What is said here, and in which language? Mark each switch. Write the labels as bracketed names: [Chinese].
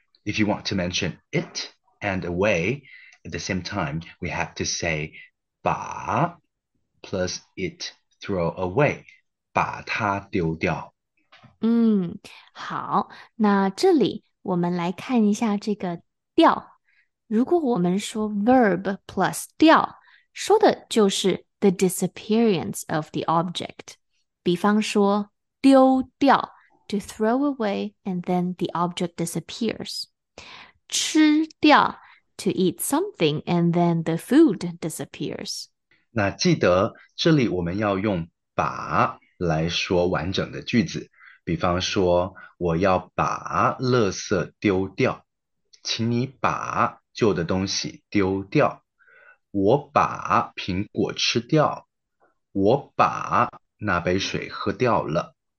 [English] If you want to mention it and away, at the same time, we have to say 把 plus it throw away, [Chinese] 把它丢掉。好，那这里我们来看一下这个掉。如果我们说 [English] verb plus [Chinese] 掉，说的就是 [English] the disappearance of the object。 [Chinese] 比方说丢掉 [English] to throw away and then the object disappears。吃掉 to eat something and then the food disappears。 [Chinese] 那记得这里我们要用把来说完整的句子。比方说，我要把垃圾丢掉，请你把旧的东西丢掉。我把苹果吃掉，我把那杯水喝掉了。